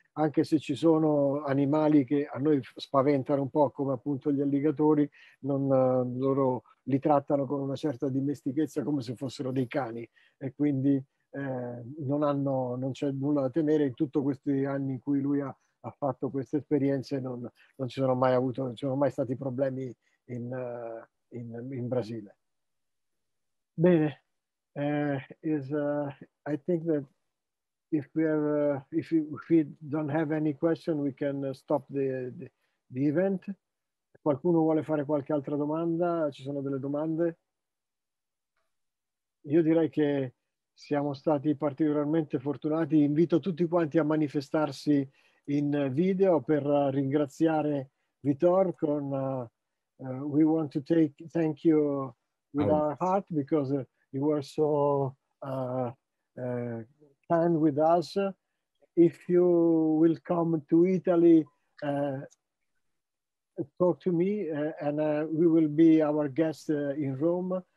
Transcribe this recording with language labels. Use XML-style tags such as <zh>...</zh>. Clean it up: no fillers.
<it>Anche se ci sono animali che a noi spaventano un po', come appunto gli alligatori, loro li trattano con una certa dimestichezza, come se fossero dei cani, e quindi non c'è nulla da temere. In tutti questi anni in cui lui ha fatto queste esperienze non ci sono mai stati problemi in Brasile. Bene,</it> <en>I think that if we have, if we don't have any question, we can stop the event.</en> <it>Qualcuno vuole fare qualche altra domanda? Ci sono delle domande? Io direi che siamo stati particolarmente fortunati. Invito tutti quanti a manifestarsi in video per ringraziare Vitor.</it> <en>We want to thank you with our heart, because you were so time with us. If you will come to Italy, talk to me, and we will be our guest in Rome.</en>